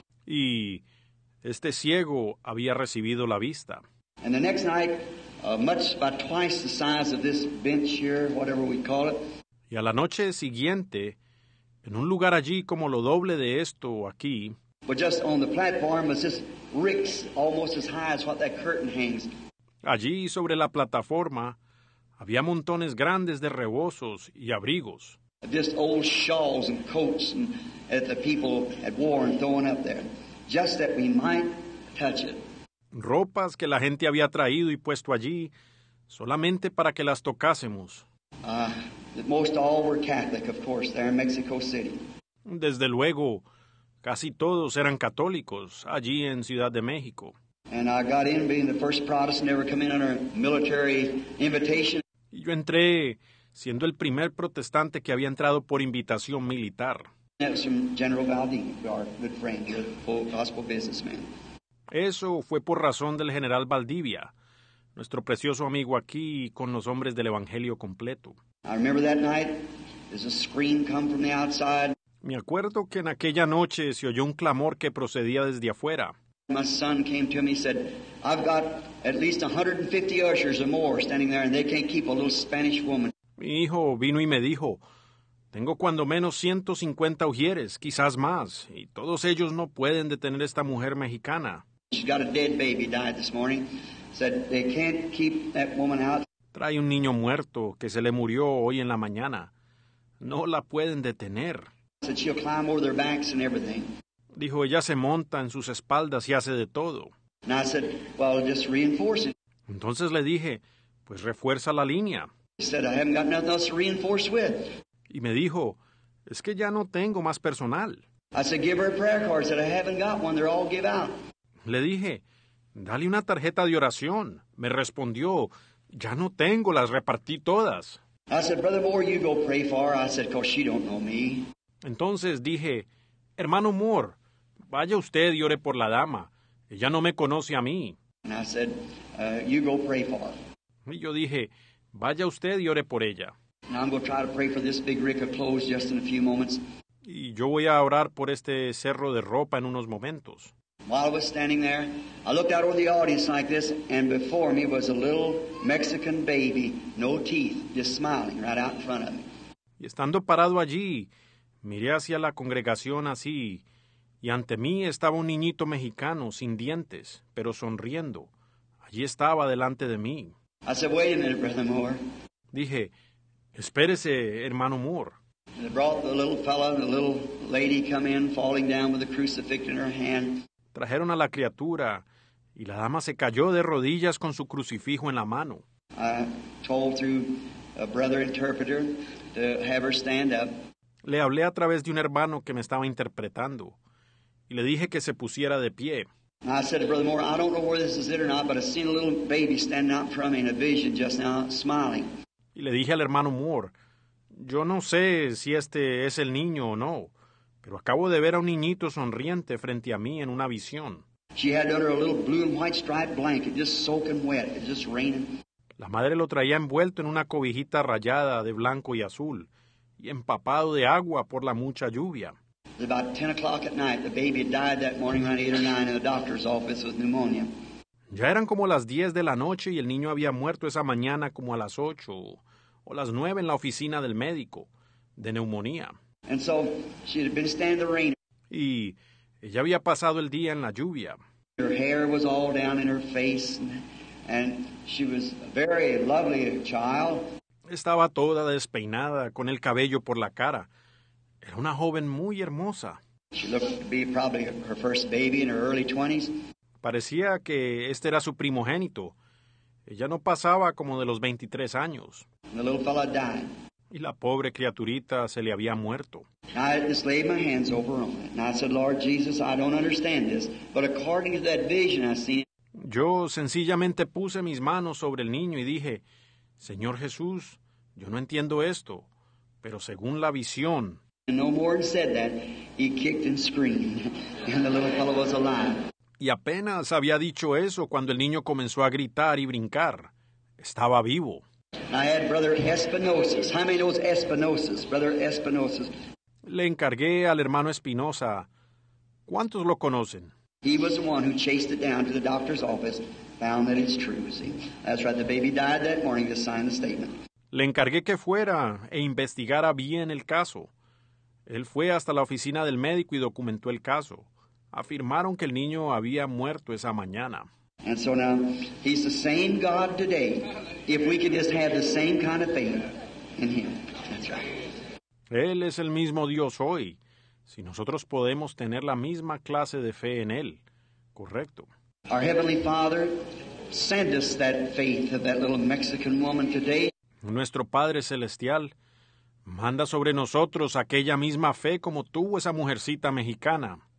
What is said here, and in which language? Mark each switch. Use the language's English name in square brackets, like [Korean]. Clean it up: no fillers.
[Spanish] Y este ciego había recibido la vista. [English] And the next night, much about twice the size of this bench here, whatever we call it. [Spanish] Y a la noche siguiente, en un lugar allí como lo doble de esto aquí, [English] but just on the platform was this ricks almost as high as what that curtain hangs. [Spanish] Allí sobre la plataforma había montones grandes de rebozos y abrigos. [English] Just old shawls and coats and that the people had worn throwing up there, just that we might touch it. [Spanish] Ropas que la gente había traído y puesto allí, solamente para que las tocásemos. [English] Most all were Catholic, of course, there in Mexico City. [Spanish] Desde luego, casi todos eran católicos allí en Ciudad de México. [English] And I got in, being the first Protestant ever come in under military invitation. [Spanish] Y yo entré siendo el primer protestante que había entrado por invitación militar. [English] That was from General Valdez, our good friend, the full gospel businessman. [Spanish] Eso fue por razón del general Valdivia, nuestro precioso amigo aquí con los hombres del Evangelio completo. [English] I remember that night, there's a scream come from the outside. [Spanish] Me acuerdo que en aquella noche se oyó un clamor que procedía desde afuera. [English] My son came to me and said, I've got at least 150 ushers or more standing there and they can't keep a little Spanish woman. [Spanish] Mi hijo vino y me dijo, tengo cuando menos 150 ujieres, quizás más, y todos ellos no pueden detener esta mujer mexicana. [English] She's got a dead baby died this morning. Said they can't keep that woman out. [Spanish] Trae un niño muerto que se le murió hoy en la mañana. No la pueden detener. [English] Said she'll climb over their backs and everything. [Spanish] Dijo, ella se monta en sus espaldas y hace de todo. [English] And I said, well, just reinforce it. [Spanish] Entonces le dije, pues refuerza la línea. [English] He said, I haven't got nothing else to reinforce with. [Spanish] Y me dijo, es que ya no tengo más personal. [English] I said, give her a prayer card. I said, I haven't got one. They're all give out. [Spanish] Le dije, dale una tarjeta de oración. Me respondió, ya no tengo, las repartí todas. [English] I said, Brother Moore, you go pray for her. I said, 'cause she don't know me. [Spanish] Entonces dije, hermano Moore, vaya usted y ore por la dama. Ella no me conoce a mí. [English] And I said, you go pray for her. [Spanish] Y yo dije, vaya usted y ore por ella. [English] And I'm going to try to pray for this big rick of clothes just in a few moments. [Spanish] Y yo voy a orar por este cerro de ropa en unos momentos. [English] While I was standing there, I looked out over the audience like this, and before me was a little Mexican baby, no teeth, just smiling right out in front of me. [Spanish] Y estando parado allí, miré hacia la congregación así, y ante mí estaba un niñito mexicano sin dientes, pero sonriendo. Allí estaba delante de mí. [English] I said, wait a minute, Brother Moore. [Spanish] Dije, espérese, hermano Moore. [English] And they brought the little fellow and the little lady come in, falling down with a crucifix in her hand. [Spanish] Trajeron a la criatura, y la dama se cayó de rodillas con su crucifijo en la mano. [English] I told through a brother interpreter to have her stand up. [Spanish] Le hablé a través de un hermano que me estaba interpretando, y le dije que se pusiera de pie. [English] I said to Brother Moore, I don't know where this is it or not, but I seen a little baby standing out in front of me in a vision just now, smiling. [Spanish] Y le dije al hermano Moore, yo no sé si este es el niño o no, pero acabo de ver a un niñito sonriente frente a mí en una visión. [English] She had under a little blue and white striped blanket, just soaking wet, just raining. [Spanish] La madre lo traía envuelto en una cobijita rayada de blanco y azul, y empapado de agua por la mucha lluvia. [English] It was about 10 o'clock at night, the baby had died that morning around 8 or 9 in the doctor's office with pneumonia. [Spanish] Ya eran como las 10 de la noche y el niño había muerto esa mañana como a las 8 o las 9 en la oficina del médico, de neumonía. [English] And so she had been standing in the rain. [Spanish] Y ella había pasado el día en la lluvia. [English] Her hair was all down in her face, and And she was a very lovely child. [Spanish] Estaba toda despeinada, con el cabello por la cara. Era una joven muy hermosa. [English] She looked to be probably her first baby in her early 20s. [Spanish] Parecía que este era su primogénito. Ella no pasaba como de los 23 años. [English] And the little fella died. [Spanish] Y la pobre criaturita se le había muerto. [English] I just laid my hands over on it. And I said, Lord Jesus, I don't understand this. But according to that vision I seen. [Spanish] Yo sencillamente puse mis manos sobre el niño y dije, Señor Jesús, yo no entiendo esto, pero según la visión. [English] No more than said that, he kicked and screamed, and the little fellow was alive. [Spanish] Y apenas había dicho eso cuando el niño comenzó a gritar y brincar. Estaba vivo. [English] I had Brother Espinosa. How many knows Espinosa? Brother Espinosa. [Spanish] Le encargué al hermano Espinosa. ¿Cuántos lo conocen? [English] He was the one who chased it down to the doctor's office, found that it's true, see. That's right, the baby died that morning to sign the statement. [Spanish] Le encargué que fuera e investigara bien el caso. Él fue hasta la oficina del médico y documentó el caso. Afirmaron que el niño había muerto esa mañana. [English] And so now, he's the same God today, if we could just have the same kind of faith in him. That's right. [Spanish] Él es el mismo Dios hoy. Si nosotros podemos tener la misma clase de fe en Él, correcto. [English] Our Heavenly Father, send us that faith of that little Mexican woman today. [Spanish] Nuestro Padre Celestial, manda sobre nosotros aquella misma fe como tuvo esa mujercita mexicana.